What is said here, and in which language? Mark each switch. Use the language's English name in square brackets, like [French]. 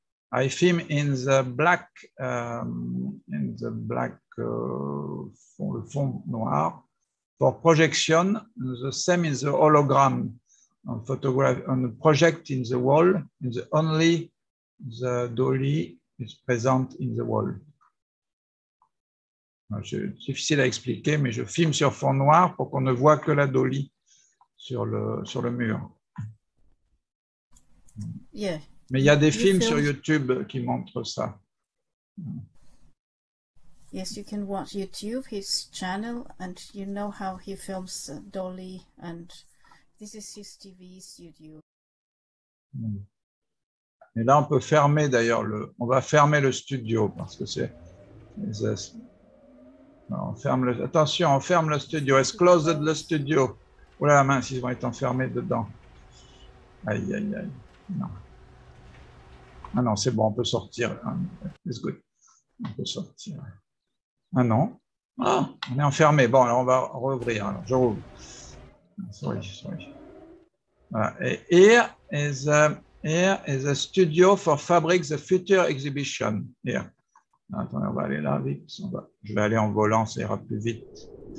[English] I film in the black, fond noir for projection, the same in the hologram. On photograph on a project in the wall, in the only the dolly is present in the wall. [French] C'est difficile à expliquer, mais je filme sur fond noir pour qu'on ne voit que la dolly sur le mur. [English] Yeah. [French] Mais il y a des films sur YouTube qui montrent ça. [English] Yes, you can watch YouTube his channel and you know how he films dolly and. This is his TV studio. [French] Et là, on peut fermer d'ailleurs le. On va fermer le studio parce que c'est. On ferme le. Attention, on ferme le studio. It's closed the studio. Voilà, mince, ils vont être enfermés dedans. Aïe, aïe, aïe. Non. Ah non, c'est bon, on peut sortir. It's good. On peut sortir. Ah non. Ah, on est enfermé. Bon, alors on va rouvrir. Alors, je rouvre. Sorry, sorry. Voilà. [English] Et here is a studio for Fabric the Future exhibition. [French] Here. Attends, on va aller là vite. Je vais aller en volant, ça ira plus vite.